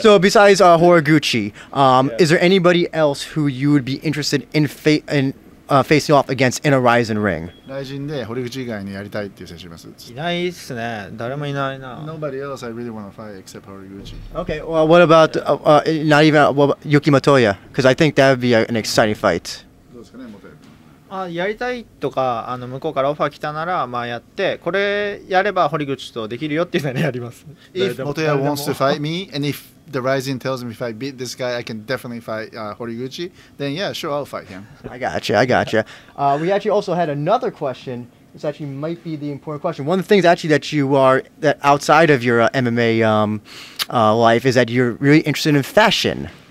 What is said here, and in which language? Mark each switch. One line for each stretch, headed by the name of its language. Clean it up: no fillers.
English: So besides Horiguchi, is there anybody else who you would be interested in facing off against in a Ryzen ring?
Japanese: Ryzen で Horiguchi 以外にやりたいっていう選手います。いないっすね。誰もいないな。
English: Nobody else I really want to fight except Horiguchi. Okay. Well, what about not even Yuki Motoya? Because I think that would be an exciting fight.
Japanese: どうですかね、モトヤ。あ、やりたいとか向こうからオファー来たなら、まあ、やってこれやれば堀口とできるよっていうのはやります。
English: If Motoya wants to fight me and if the Ryzen tells me if I beat this guy I can definitely fight Horiguchi, then yeah, sure, I'll fight him. I gotcha. We actually also had another question. This actually might be the important question. One of the things actually that you are that outside of your MMA life is that you're really interested in fashion.